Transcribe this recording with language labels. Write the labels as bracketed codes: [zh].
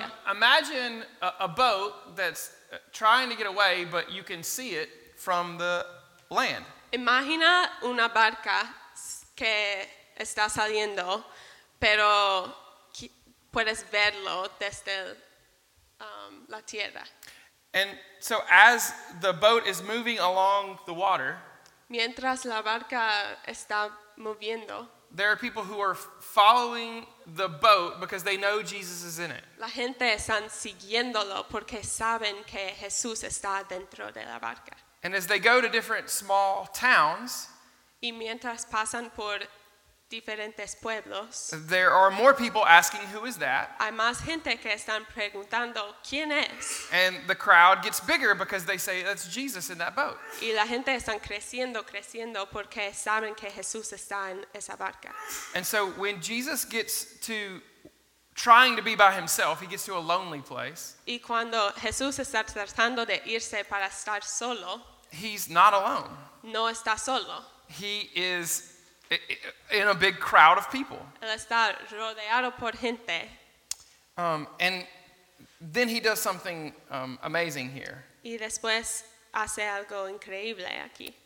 [en] Imagine a boat that's trying to get away, but you can see it from the land. [es] Imagina una barca que está saliendo, pero puedes verlo desde la tierra. [en] And so as the boat is moving along the water, [es] mientras la barca está moviendo, [en] there are people who are following the boat because they know Jesus is in it. [es] La gente están siguiéndolo porque saben que Jesús está dentro de la barca. [en] And as they go to different small towns, [es] y mientras pasan por diferentes pueblos, [en] there are more people asking, who is that? [es] Hay más gente que están preguntando, ¿quién es? [en] And the crowd gets bigger because they say, that's Jesus in that boat. [es] Y la gente están creciendo porque saben que Jesús está en esa barca. [en] And so when Jesus gets to trying to be by himself, he gets to a lonely place. [es] Y cuando Jesús está tratando de irse para estar solo, [en] He's not alone. [es] No está solo. [en] He is in a big crowd of people. [es] Él está rodeado por gente. [en] And then he does something amazing here. [es] Y después hace algo increíble aquí.